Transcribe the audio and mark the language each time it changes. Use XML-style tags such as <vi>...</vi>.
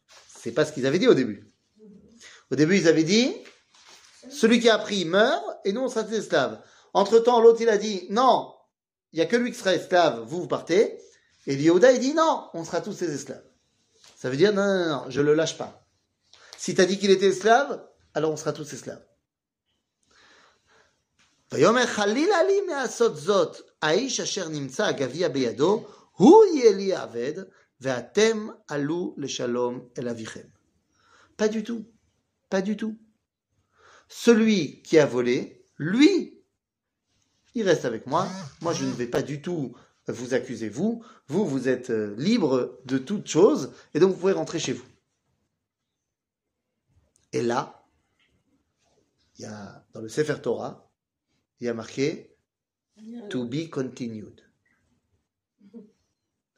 <fr>Ce n'est pas ce qu'ils avaient dit au début. Au début, ils avaient dit, celui qui a pris meurt, et nous, on sera des esclaves. Entre-temps, l'autre, il a dit, non, il n'y a que lui qui sera esclave, vous partez. Et Yehuda, il dit, non, on sera tous des esclaves. Ça veut dire, non, je ne le lâche pas. Si tu as dit qu'il était esclave, alors on sera tous esclaves.</fr> <he>ויאמר חליל עלי מעשות זאת, האיש אשר נמצא הגביע בידו, הוא יהיה לי עבד, ואתם עלו לשלום אל אביכם.</he> <fr>Pas du tout. Pas du tout. Celui qui a volé, lui, il reste avec moi. Moi, je ne vais pas du tout vous accuser, vous. Vous, vous êtes libre de toute chose, et donc vous pouvez rentrer chez vous. Et là, il y a dans le Sefer Torah, il y a marqué «</fr> <en>To be continued ».</en>